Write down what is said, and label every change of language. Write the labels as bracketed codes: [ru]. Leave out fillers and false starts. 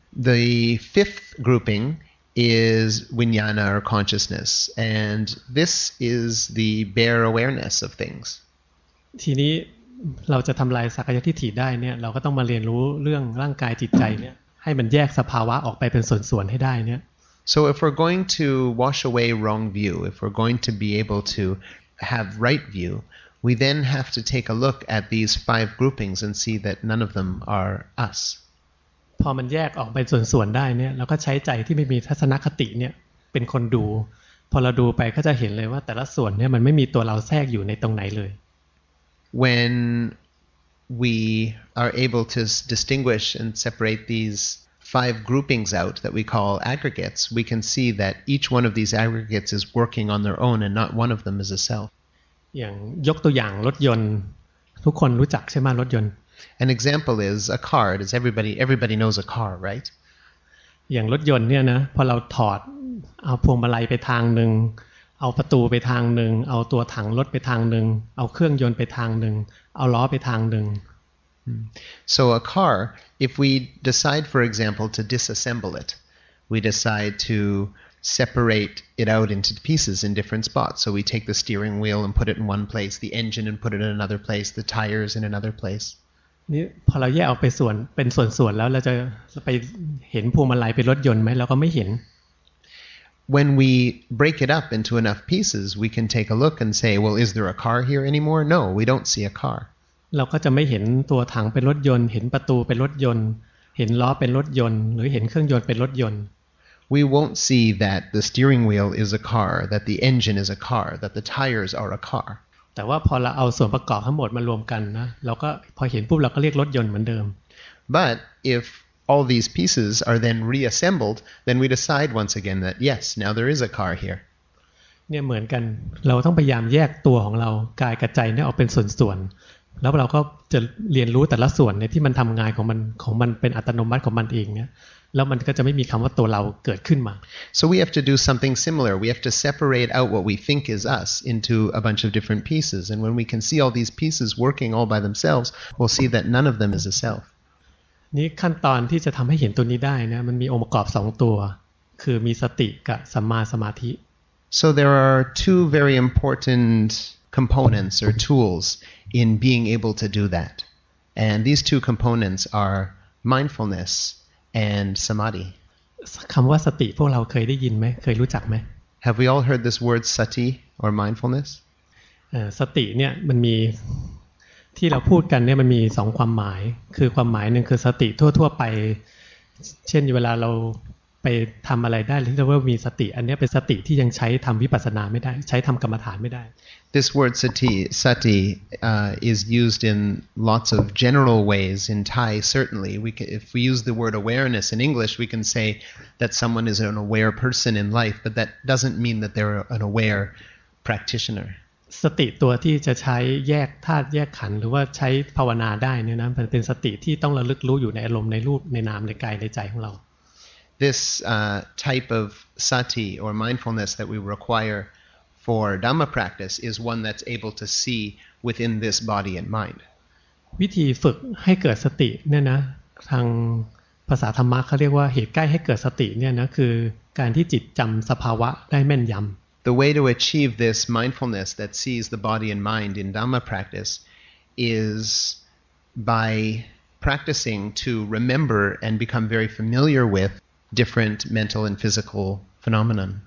[en] The fifth grouping is vijnana or consciousness and this is the bare awareness of things [th] ทีนี้เราจะทําลายสักกายทิฏฐิได้เนี่ยเราก็ต้องมาเรียนรู้เรื่องร่างกายจิตใจเนี่ยให้มันแยกสภาวะออกไปเป็นส่วนๆให้ได้เนี่ย [en] So if we're going to wash away wrong view if we're going to be able to have right view we then have to take a look at these five groupings and see that none of them are us [th] พอมันแยกออกเป็นส่วนๆได้เนี่ยเราก็ใช้ใจที่ไม่มีทัศนคติเนี่ยเป็นคนดูพอเราดูไปก็จะเห็นเลยว่าแต่ละส่วนเนี่ยมันไม่มีตัวเราแทรกอยู่ในตรงไหนเลย [en] When we are able to distinguish and separate these five groupings out that we call aggregates we can see that each one of these aggregates is working on their own and not one of them is a self [th] อย่างยกตัวอย่างรถยนต์ทุกคนรู้จักใช่ไหมรถยนต์ [en] An example is a car. Does everybody knows a car, right? [th] อย่างรถยนต์เนี่ยนะพอเราถอดเอาพวงมาลัยไปทางนึงเอาประตูไปทางนึงเอาตัวถังรถไปทางนึงเอาเครื่องยนต์ไปทางนึงเอาล้อไปทางนึง [en] So a car, if we decide, for example, to disassemble it, we decide to separate it out into pieces in different spots. So we take the steering wheel and put it in one place, the engine and put it in another place, the tires in another place. [th] นี่พอเราแยกออกไปส่วนเป็นส่วนๆแล้วเราจะไปเห็นพวงมาลัยเป็นรถยนต์มั้ยเราก็ไม่เห็น [en] When we break it up into enough pieces we can take a look and say well is there a car here anymore no we don't see a car [th] เราก็จะไม่เห็นตัวถังเป็นรถยนต์เห็นประตูเป็นรถยนต์เห็นล้อเป็นรถยนต์หรือเห็นเครื่องยนต์เป็นรถยนต์ [en] We won't see that the steering wheel is a car that the engine is a car that the tires are a car [th] แต่ว่าพอเราเอาส่วนประกอบทั้งหมดมารวมกันนะเราก็พอเห็นปุ๊บเราก็เรียกรถยนต์เหมือนเดิม [en] But if all these pieces are then reassembled then we decide once again that yes now there is a car here [th] เนี่ยเหมือนกันเราต้องพยายามแยกตัวของเรากายกับใจเนี่ยออกเป็นส่วนๆแล้วเราก็จะเรียนรู้แต่ละส่วนในที่มันทำงานของมันเป็นอัตโนมัติของมันเองเนี่ยแล้วมันก็จะไม่มีคำว่าตัวเราเกิดขึ้นมา [en] So we have to do something similar. We have to separate out what we think is us into a bunch of different pieces. And when we can see all these pieces working all by themselves, we'll see that none of them is a self. [th] นี่ขั้นตอนที่จะทำให้เห็นตัวนี้ได้นะมันมีองค์ประกอบสองตัวคือมีสติกับสัมมาสมาธิ [en] So there are two very important components or tools in being able to do that. And these two components are mindfulness and samadhi. [th] คำว่าสติพวกเราเคยได้ยินไหมเคยรู้จักไหม [en] Have we all heard this word sati or mindfulness? [th] สติเนี่ยมันมีที่เราพูดกันเนี่ยมันมี2ความหมายคือความหมายนึงคือสติทั่วๆไปเช่นเวลาเราไปทำอะไรได้ที่เรียกว่ามีสติอันนี้เป็นสติที่ยังใช้ทำวิปัสสนาไม่ได้ใช้ทำกรรมฐานไม่ได้ [en] This word sati is used in lots of general ways in Thai certainly if we use the word awareness in English we can say that someone is an aware person in life but that doesn't mean that they're an aware practitioner [th] สติตัวที่จะใช้แยกธาตุแยกขันธ์หรือว่าใช้ภาวนาได้เนี่ยนะมันเป็นสติที่ต้องระลึกรู้อยู่ในอารมณ์ในรูปในนามในกายในใจของเรา [en] This type of sati or mindfulness that we require for Dhamma practice is one that's able to see within this body and mind. [th] วิธีฝึกให้เกิดสติเนี่ยนะทางภาษาธรรมะเขาเรียกว่าเหตุใกล้ให้เกิดสติเนี่ยนะคือการที่จิตจำสภาวะได้แม่นยำ [en] The way to achieve this mindfulness that sees the body and mind in Dhamma practice is by practicing to remember and become very familiar withdifferent mental and physical phenomena